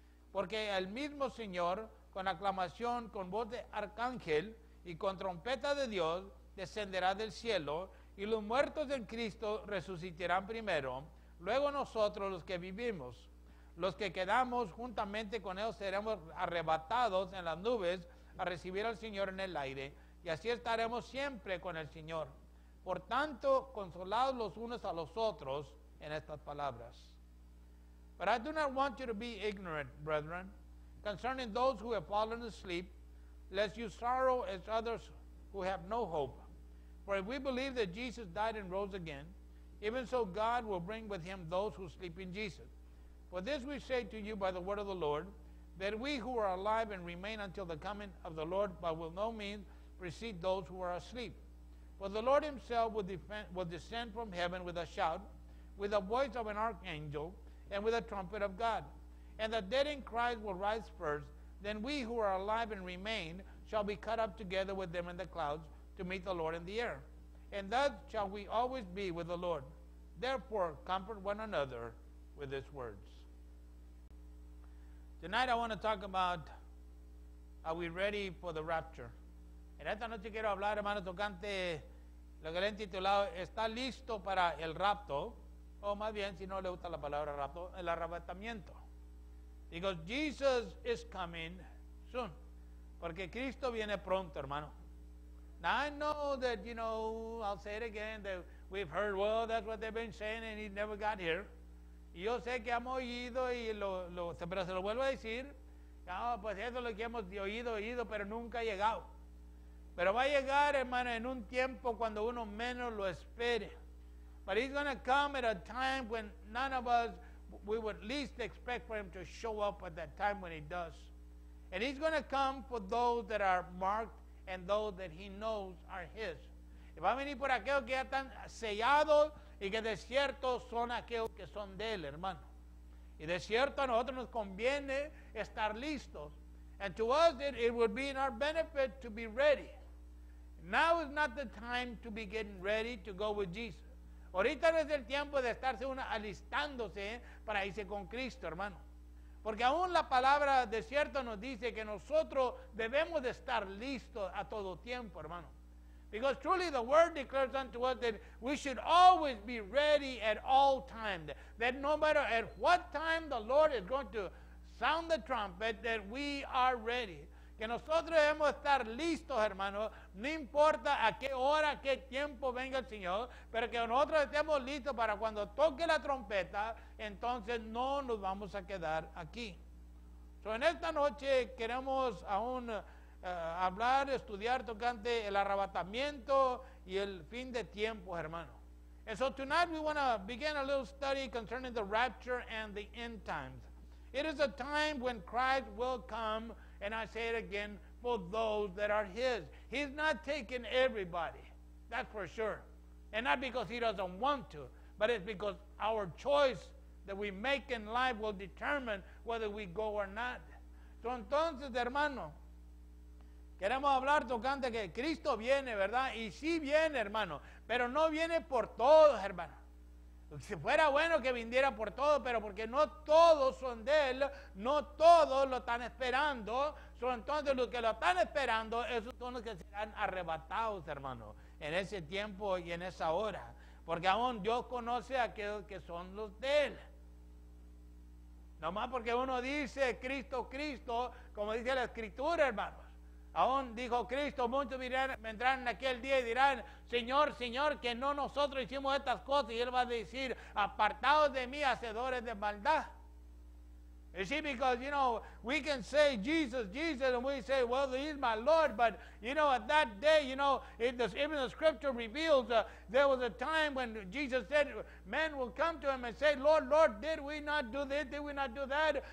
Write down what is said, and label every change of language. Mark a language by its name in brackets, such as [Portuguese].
[Spanish] Porque el mismo Señor, con aclamación, con voz de arcángel y con trompeta de Dios, descenderá del cielo, y los muertos en Cristo resucitarán primero, luego nosotros los que vivimos, los que quedamos juntamente con ellos seremos arrebatados en las nubes a recibir al Señor en el aire, y así estaremos siempre con el Señor. Por tanto, consolados los unos a los otros en estas palabras. [English] But I do not want you to be ignorant, brethren, concerning those who have fallen asleep, lest you sorrow as others who have no hope. For if we believe that Jesus died and rose again, even so God will bring with him those who sleep in Jesus. For this we say to you by the word of the Lord, that we who are alive and remain until the coming of the Lord, but will no means precede those who are asleep. For the Lord himself will descend from heaven with a shout, with the voice of an archangel, and with the trumpet of God. And the dead in Christ will rise first, then we who are alive and remain shall be caught up together with them in the clouds to meet the Lord in the air. And thus shall we always be with the Lord. Therefore, comfort one another with these words. Tonight I want to talk about, are we ready for the rapture? [Spanish] En esta noche quiero hablar, hermano, tocante lo que le he titulado, ¿está listo para el rapto? O más bien, si no le gusta la palabra rapto, el arrebatamiento. [English] Because Jesus is coming soon. [Spanish] Porque Cristo viene pronto, hermano. [English] Now I know that, you know, I'll say it again, that we've heard, well, that's what they've been saying, and he never got here. [Spanish] Y yo sé que hemos oído, y pero se lo vuelvo a decir, oh, pues eso es lo que hemos oído, pero nunca ha llegado. Pero va a llegar, hermano, en un tiempo cuando uno menos lo espere. [English] But he's going to come at a time when none of us, we would least expect for him to show up at that time when he does. And he's going to come for those that are marked and those that he knows are his. [Spanish] Y va a venir por aquellos que ya están sellados y que de cierto son aquellos que son de él, hermano. Y de cierto a nosotros nos conviene estar listos. [English] And to us, it would be in our benefit to be ready. Now is not the time to be getting ready to go with Jesus. [Spanish] Ahorita no es el tiempo de estarse uno alistándose para irse con Cristo, hermano. Porque aún la palabra de cierto nos dice que nosotros debemos de estar listos a todo tiempo, hermano. [English] Because truly the word declares unto us that we should always be ready at all times. That no matter at what time the Lord is going to sound the trumpet, that we are ready. [Spanish] Que nosotros debemos estar listos, hermano, no importa a qué hora, a qué tiempo venga el Señor, pero que nosotros estemos listos para cuando toque la trompeta, entonces no nos vamos a quedar aquí. So, en esta noche queremos aún hablar, estudiar, tocante el arrebatamiento y el fin de tiempo, hermano. [English] And so tonight we want to begin a little study concerning the rapture and the end times. It is a time when Christ will come. And I say it again, for those that are his. He's not taking everybody, that's for sure. And not because he doesn't want to, but it's because our choice that we make in life will determine whether we go or not. [Spanish] So entonces, hermano, queremos hablar tocante que Cristo viene, ¿verdad? Y sí viene, hermano, pero no viene por todos, hermano. Si fuera bueno que viniera por todo, pero porque no todos son de él, no todos lo están esperando. So, entonces los que lo están esperando, esos son los que serán arrebatados, hermano, en ese tiempo y en esa hora. Porque aún Dios conoce a aquellos que son los de él. Nomás porque uno dice Cristo, Cristo, como dice la Escritura, hermano. Aún dijo Cristo, muchos vendrán en aquel día y dirán, Señor, Señor, que no nosotros hicimos estas cosas. Y él va a decir, apartados de mí, hacedores de maldad. [English] You see, because, you know, we can say Jesus, Jesus, and we say, well, he is my Lord. But, you know, at that day, you know, even the scripture reveals there was a time when Jesus said, men will come to him and say, Lord, Lord, did we not do this? Did we not do that?